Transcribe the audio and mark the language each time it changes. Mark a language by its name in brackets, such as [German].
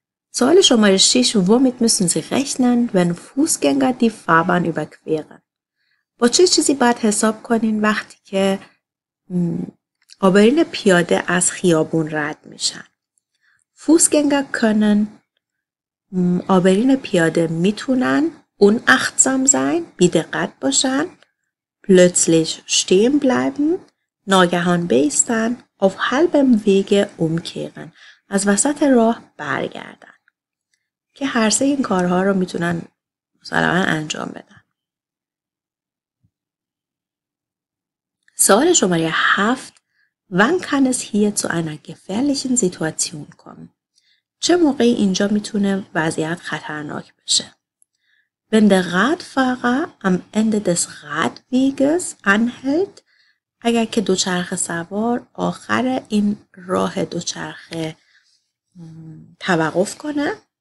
[Persian] سوال شماره 6: [German] Womit müssen Sie rechnen, wenn Fußgänger die Fahrbahn überqueren؟ [Persian] با چه چیزی باید حساب کنین وقتی که عابرین پیاده از خیابون رد میشن؟ [German] Fußgänger können، [Persian] عابرین پیاده میتونن، [German] Unachtsam sein, [Persian] bidegat boshan, [German] plötzlich stehen bleiben, [Persian] ناگهان بیستن، [German] auf halbem Wege umkehren، [Persian] از وسط راه برگردن. که هر سه این کارها رو میتونن مسلما انجام بدن. سوال شماره 7، [German] wann kann es hier zu einer gefährlichen Situation kommen؟ [Persian] چه موقعی اینجا میتونه وضعیت خطرناک بشه؟ [German] Wenn der Radfahrer am Ende des Radweges anhält, [Persian] اگر که دوچرخه سوار آخر این راه دوچرخه توقف کنه.